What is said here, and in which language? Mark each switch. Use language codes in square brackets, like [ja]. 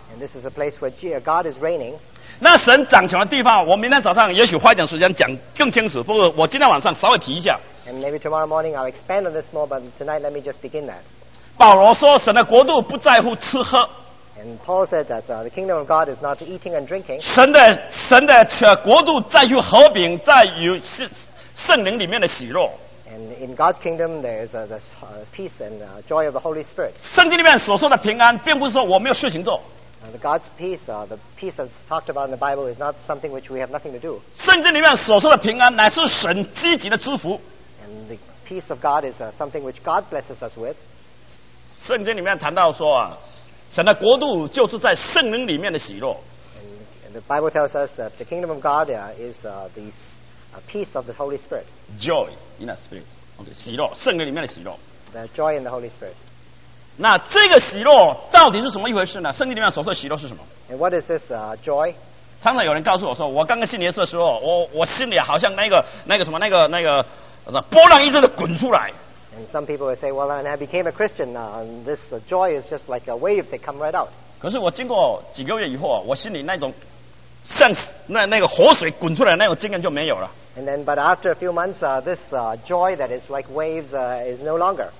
[en] And this is a place where God is reigning. [zh] 那神掌权的地方，我明天早上也许花一点时间讲更清楚，不过我今天晚上稍微提一下。 [en] And maybe tomorrow morning I'll expand on this more, but tonight let me just begin that. [zh] 保罗说神的国度不在乎吃喝。 [en] And Paul said that the kingdom of God is not eating and drinking. [zh] 神的国度在于和平，在于圣灵里面的喜乐。 [en] And in God's kingdom there is the peace and joy of the Holy Spirit. [zh] 圣经里面所说的平安，并不是说我没有事情做。 [en] The God's peace, the peace that's talked about in the Bible is not something which we have nothing to do. [zh] 圣经里面所说的平安乃是神积极的祝福。 [en] And the peace of God is something which God blesses us with. [zh] 圣经里面谈到说，神的国度就是在圣灵里面的喜乐。 [en] And the Bible tells us that the kingdom of God is the peace of the Holy Spirit. Joy in the Spirit. [zh] Okay, 喜乐，圣灵里面的喜乐。 [en] The joy in the Holy Spirit. [zh] 那这个喜乐到底是什么一回事呢？圣经里面所说的喜乐是什么？ [en] And what is this joy? [zh] 常常有人告诉我说，我刚刚信耶稣的时候，我心里好像那个波浪一阵的滚出来。 [en] And some people would say, well, when I became a Christian, this joy is just like a wave that come right out. [zh] 可是我经过几个月以后，我心里那种像那个活水滚出来的那种经验就没有了。 [en] And then, but after a few months, this joy that is like waves is no longer.